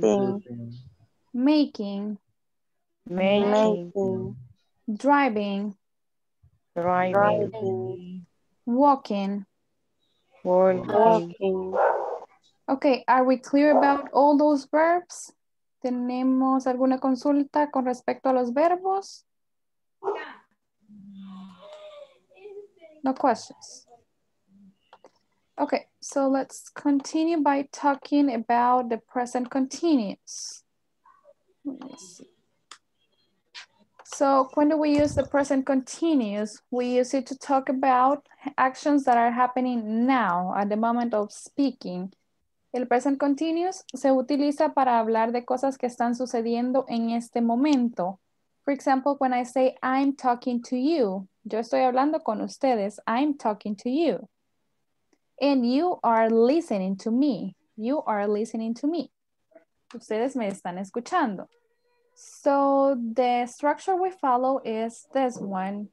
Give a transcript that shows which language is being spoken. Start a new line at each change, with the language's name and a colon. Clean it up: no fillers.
English: Sleeping. Making. Making. Making. Driving. Driving. Driving. Walking. Walking. Walking. Okay, are we clear about all those verbs?
Spanish: ¿Tenemos alguna consulta con respecto a los verbos?
English: No questions. Okay, so let's continue by talking about the present continuous. Let me see. So when do we use the present continuous? We use it to talk about actions that are happening now at the moment of speaking.
Spanish: El present continuous se utiliza para hablar de cosas que están sucediendo en este momento.
English: For example, when I say, I'm talking to you.
Spanish: Yo estoy hablando con ustedes.
English: I'm talking to you. And you are listening to me. You are listening to me.
Spanish: Ustedes me están escuchando.
English: So the structure we follow is this one.